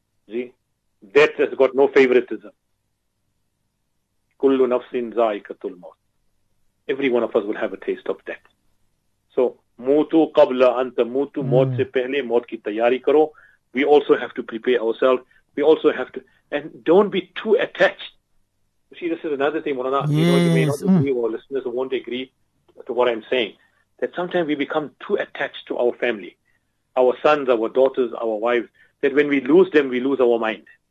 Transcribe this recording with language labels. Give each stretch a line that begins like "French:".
English: Death has got no favoritism.
Arabic: Kullu nafsin zaikatul maut.
English: Every one of us will have a taste of death. So,
Arabic: موتو قبل ان تموتو،
Urdu: موت سے پہلے، موت کی تیاری کرو۔
English: We also have to prepare ourselves. We also have to, and don't be too attached. You see, this is another thing, Mawlana. Yes. You may not agree, or listeners won't agree to what I'm saying, that sometimes we become too attached to our family, our sons, our daughters, our wives, that when we lose them, we lose our mind.